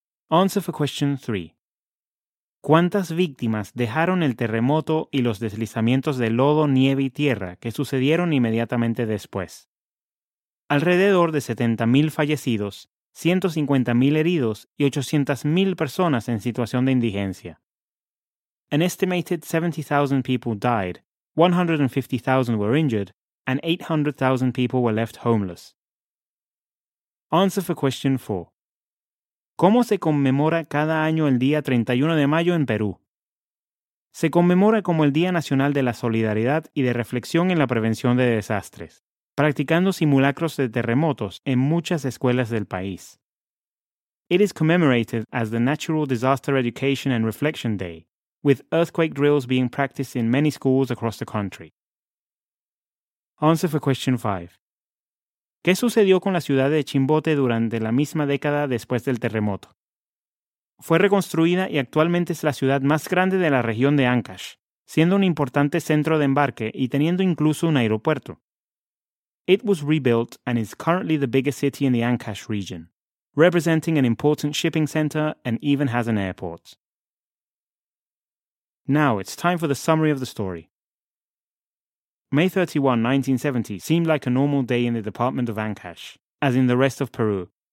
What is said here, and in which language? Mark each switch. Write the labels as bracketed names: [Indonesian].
[English] Answer for question 3. [Spanish] ¿Cuántas víctimas dejaron el terremoto y los deslizamientos de lodo, nieve y tierra que sucedieron inmediatamente después? Alrededor de 70,000 fallecidos, 150,000 heridos y 800,000 personas en situación de indigencia. [English] An estimated 70,000 people died, 150,000 were injured, and 800,000 people were left homeless. Answer for question 4. [Spanish] ¿Cómo se conmemora cada año el día 31 de mayo en Perú? Se conmemora como el Día Nacional de la Solidaridad y de Reflexión en la Prevención de Desastres, practicando simulacros de terremotos en muchas escuelas del país. [English] It is commemorated as the Natural Disaster Education and Reflection Day, with earthquake drills being practiced in many schools across the country. Answer for question 5. [Spanish] ¿Qué sucedió con la ciudad de Chimbote durante la misma década después del terremoto? Fue reconstruida y actualmente es la ciudad más grande de la región de Ancash, siendo un importante centro de embarque y teniendo incluso un aeropuerto. [English] It was rebuilt and is currently the biggest city in the Ancash region, representing an important shipping center and even has an airport. Now it's time for the summary of the story. May 31, 1970 seemed like a normal day in the department of Ancash, as in the rest of Peru.